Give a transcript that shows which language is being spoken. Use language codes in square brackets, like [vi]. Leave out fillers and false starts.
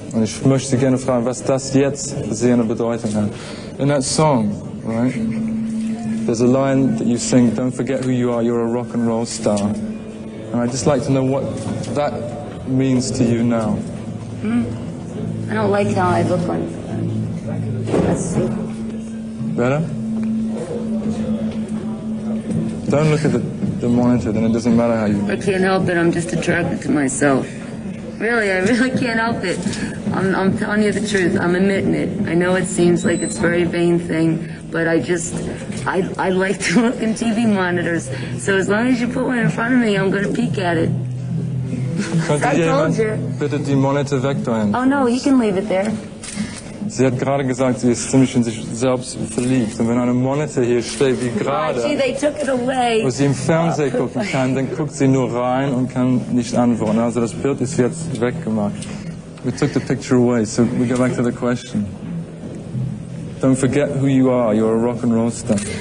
[de] Und ich möchte Sie gerne fragen, was das jetzt für Sie eine Bedeutung hat. [en] In that song, right? There's a line that you sing: Don't forget who you are, you're a rock and roll star. And I'd just like to know what that means to you now. I don't like how I look on film. Let's see. Better? Don't look at the monitor, then it doesn't matter how you look. I can't help it, I'm just attracted to myself. Really, I really can't help it. I'm telling you the truth, I'm admitting it. I know it seems like it's a very vain thing, but I like to look in TV monitors. So as long as you put one in front of me, I'm gonna peek at it. [de] Könnte jemand bitte die Monitor wegdrehen? [en] Oh no, you can leave it there. [de] Sie hat gerade gesagt, sie ist ziemlich in sich selbst verliebt. Und wenn eine Monitor hier steht, wie gerade, wo sie im Fernsehen gucken kann, dann guckt sie nur rein und kann nicht antworten. Also das Bild ist jetzt weggemacht. [en] We took the picture away, so we go back to the question. Don't forget who you are, you're a rock and roll star.